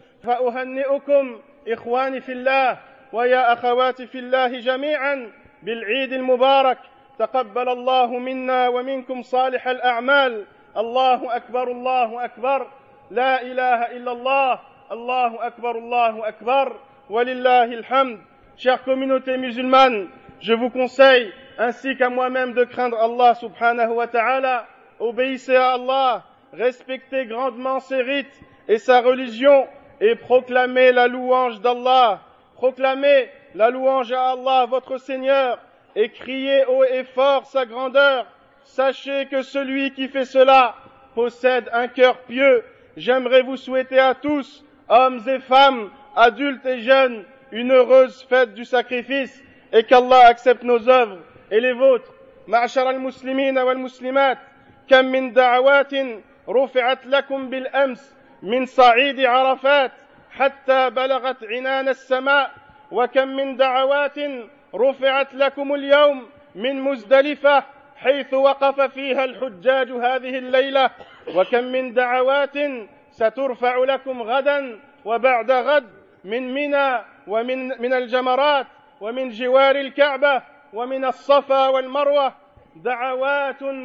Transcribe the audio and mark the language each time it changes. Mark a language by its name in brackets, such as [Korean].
[Arabic] فأهنئكم إخواني في الله ويا أخواتي في الله جميعا بالعيد المبارك. تقبل الله منا ومنكم صالح الأعمال. الله أكبر الله أكبر، لا إله إلا الله، الله أكبر الله أكبر، ولله الحمد. [French] Chère communauté musulmane, je vous conseille ainsi qu'à moi-même de craindre Allah subhanahu wa ta'ala. Obéissez à Allah, respectez grandement ses rites et sa religion et proclamez la louange d'Allah. Proclamez la louange à Allah, votre Seigneur, et criez haut et fort sa grandeur. Sachez que celui qui fait cela possède un cœur pieux. J'aimerais vous souhaiter à tous, hommes et femmes, adultes et jeunes, une heureuse fête du sacrifice et qu'Allah accepte nos œuvres et les vôtres. [Arabic] معشر المسلمين والمسلمات كم من دعوات رفعت لكم بالأمس من صعيد عرفات حتى بلغت عنان السماء وكم من دعوات رفعت لكم اليوم من مزدلفة حيث وقف فيها الحجاج هذه الليلة وكم من دعوات سترفع لكم غدا وبعد غد من منى ومن الجمرات ومن جوار الكعبة ومن الصفا والمروة دعوات